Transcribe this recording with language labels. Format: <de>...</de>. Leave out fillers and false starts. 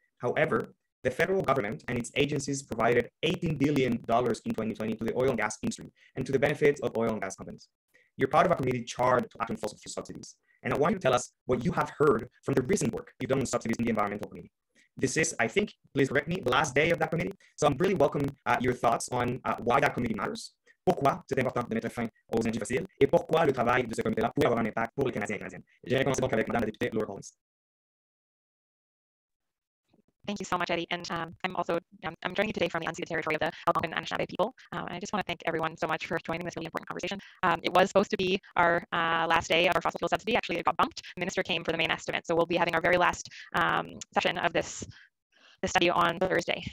<en>However, the federal government and its agencies provided $18 billion in 2020 to the oil and gas industry and to the benefits of oil and gas companies. You're part of a committee charged to act on fossil fuel subsidies. And I want you to tell us what you have heard from the recent work you've done on subsidies in the environmental committee. This is, I think, please correct me, the last day of that committee. So I'm really welcome your thoughts on why that committee matters.</en> <fr>Pourquoi c'est important de mettre fin aux énergies fossiles et pourquoi le travail de ce comité-là pourrait avoir un impact pour les Canadiens et les Canadiennes. J'ai commencé donc avec Madame la députée Laurel Collins.</fr> <en>Thank you so much, Eddie. And I'm joining you today from the unceded territory of the Algonquin Anishinaabe people. I just want to thank everyone so much for joining this really important conversation. It was supposed to be our last day of our fossil fuel subsidy. Actually, it got bumped. The minister came for the main estimate. So we'll be having our very last session of this study on Thursday.</en>